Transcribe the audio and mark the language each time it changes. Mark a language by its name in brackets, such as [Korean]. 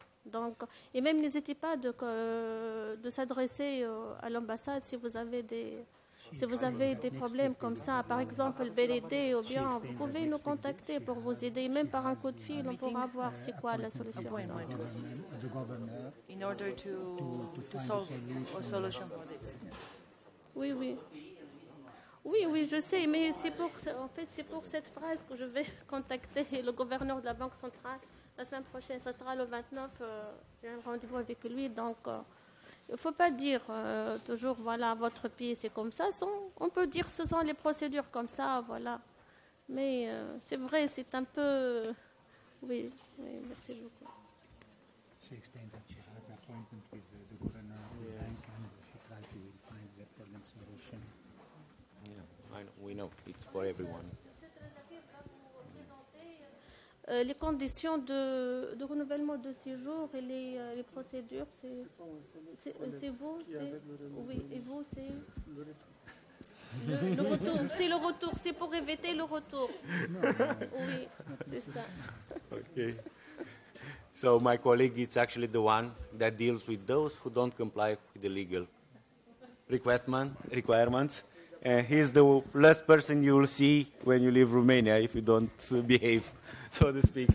[French] Donc, et même n'hésitez pas de s'adresser à l'ambassade si vous avez des problèmes comme ça, par exemple BLD ou bien vous pouvez nous contacter pour vos idées, même par un coup de fil, on pourra voir c'est quoi la solution. [English] In order to solve a solution for this. [French] Oui, je sais, mais c'est pour cette phrase que je vais contacter le gouverneur de la Banque centrale. La semaine prochaine, ça sera le 29, j'ai un rendez-vous avec lui, donc il ne faut pas dire toujours, voilà, votre pays, c'est comme ça. On peut dire, ce sont les procédures comme ça, voilà. Mais c'est vrai, c'est un peu... Oui, merci beaucoup. [English] She explained that she has an appointment with the governor of the bank, and she tried to find the problem solution. Yeah, we know, it's for everyone. [French] Les conditions de renouvellement de séjour et les procédures, c'est vous, c'est le retour. C'est le retour, c'est pour éviter le retour. Oui, c'est ça. [English] Okay. So my colleague is actually the one that deals with those who don't comply with the legal requirements, He is the last person you will see when you leave Romania if you don't behave, so to speak.